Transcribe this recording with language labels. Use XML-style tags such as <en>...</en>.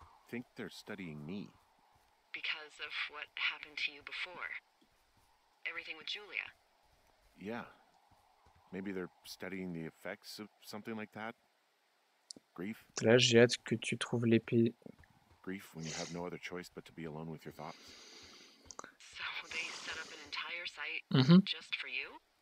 <en>Think they're studying me. Because of what happened to you before. Everything with Julia. Yeah. Maybe they're studying the effects of something like that. Grief.</en> <fr>Là, j'ai hâte que tu trouves l'épée.</fr> <en>Grief when you have no other choice but to be alone with your thoughts. So they set up an entire site just for you?</en>